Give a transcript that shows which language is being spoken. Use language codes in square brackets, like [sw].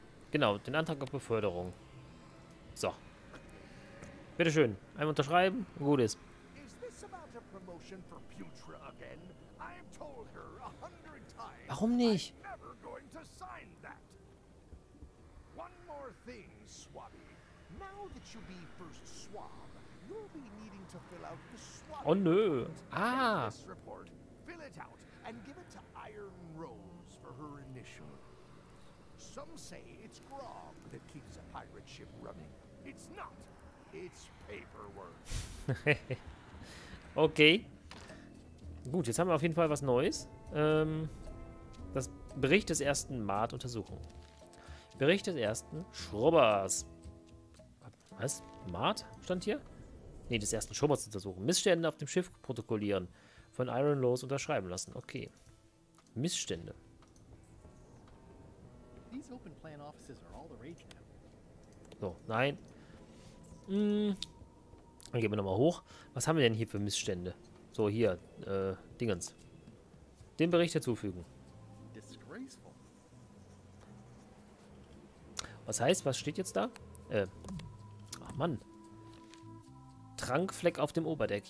[de] Genau, den Antrag auf Beförderung. So. Bitteschön, einmal unterschreiben, gut ist. [en] Is this about a promotion for Putra again? I've told her 100 times. [de] Warum nicht? [en] I'm never going to sign that. One more thing, Swabby. Now that you be first Swab, you'll be needing to fill out the Swab. [de] Oh nö. Ah. [en] This report, fill it out and give it to Iron Rose for her initial. Some say it's Grog that keeps a pirate ship running. It's not. It's paperwork. Okay. [de] Gut, jetzt haben wir auf jeden Fall was Neues. Das Bericht des ersten Mart-Untersuchung. Bericht des ersten Schrubbers. Was? Mart stand hier? Ne, des ersten Schrubbers untersuchen. Missstände auf dem Schiff protokollieren. Von Iron Lose unterschreiben lassen. Okay. Missstände. [en] These open plan offices are all the rage now. [de] So, nein. Dann gehen wir nochmal hoch. Was haben wir denn hier für Missstände? So, hier, Dingens. Den Bericht hinzufügen. Was heißt, was steht jetzt da? Ach Mann. Trankfleck auf dem Oberdeck.